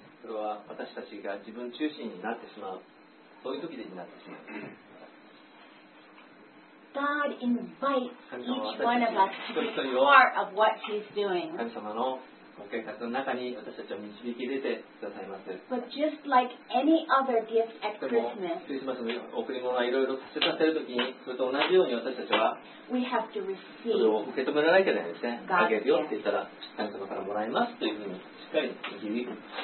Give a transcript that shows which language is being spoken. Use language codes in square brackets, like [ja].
[ja] それは私たちが自分中心になってしまう、そういう時になってしまう。 [en] God invites each one of us to be part of what He's doing. [ja] 神様のご計画の中に私たちを導き入れてくださいます。 [en] But just like any other gift at Christmas, [ja] クリスマスの贈り物はいろいろさせさせるときに、それと同じように私たちは、 [en] we have to receive [ja] それを受け止めらなきゃいけないですね。あげるよって言ったら、神様からもらいますというふうにしっかり導き入れる。